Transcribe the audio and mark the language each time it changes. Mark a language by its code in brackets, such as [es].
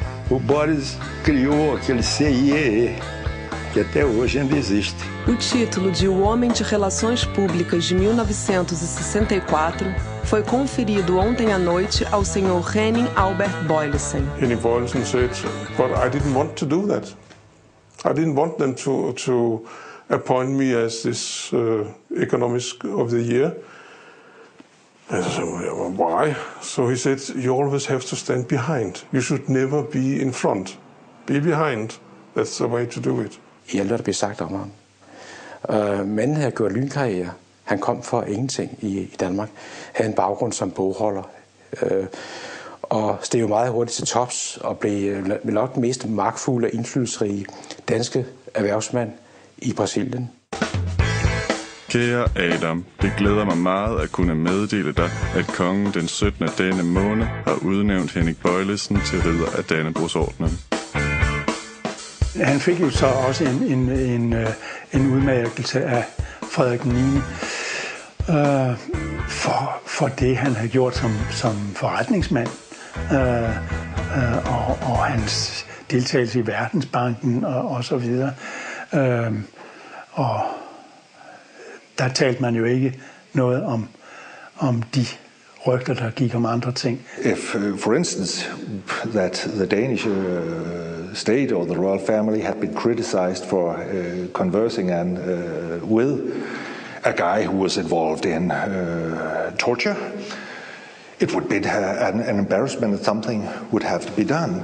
[pt] O Boris criou aquele CIEE, que até hoje ainda existe. O título de O Homem de Relações Públicas de 1964 foi conferido ontem à noite ao senhor Henning Albert Boylesen. Ele falou assim, [en] but I didn't want to do that. I didn't want them to appoint me as this economist of the year. And I said, well, why? So he said, you always have to stand behind. You should never be in front. Be behind. That's the way to do it. [da] I alt hvad der blev sagt om ham. Manden havde gjort lynkarriere. Han kom for ingenting i Danmark. Havde en baggrund som bogholder. Og steg jo meget hurtigt til tops og blev nok den mest magtfulde og indflydelsesrige danske erhvervsmand i Brasilien. Kære Adam, det glæder mig meget at kunne meddele dig, at kongen den 17. denne måned har udnævnt Henning Boylesen til ridder af Dannebrogsordenen. Han fik jo så også en udmærkelse af Frederik 9. For det, han har gjort som forretningsmand, og hans deltagelse i Verdensbanken og så videre. Og der talte man jo ikke noget om de rygter, der gik om andre ting. [en] If, for instance, that the Danish state or the royal family had been criticized for conversing and with a guy who was involved in torture, it would be an embarrassment that something would have to be done.